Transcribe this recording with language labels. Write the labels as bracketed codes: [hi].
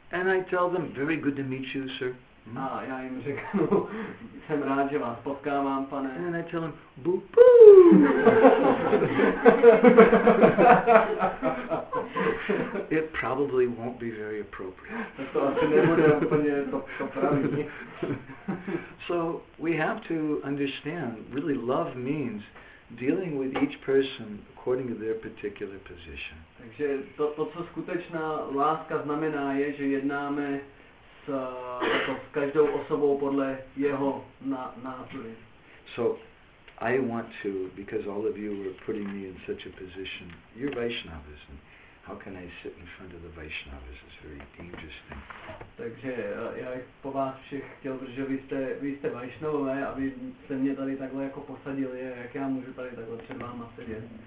[en] And I tell them, very good to meet you, sir. [cs] A já jim řeknu, jsem rád, že vás potkávám, pane. [en] And I tell them, boo boo. It probably won't be very appropriate. [cs] To asi nebude úplně to pravý. [en] So we have to understand, really love means dealing with each person according to their particular position. [cs] Takže to co skutečná láska znamená, je, že jednáme s každou osobou podle jeho názory. [en] So I want to, because all of you are putting me in such a position, you're Vaishnavas, and how can I sit in front of the Vaishnavas? It's very dangerous thing. [cs] Takže já po vás všech chtěl, protože vy jste Vaishnavové, a vy jste mě tady takhle jako posadili, jak já můžu tady takhle před váma sedět.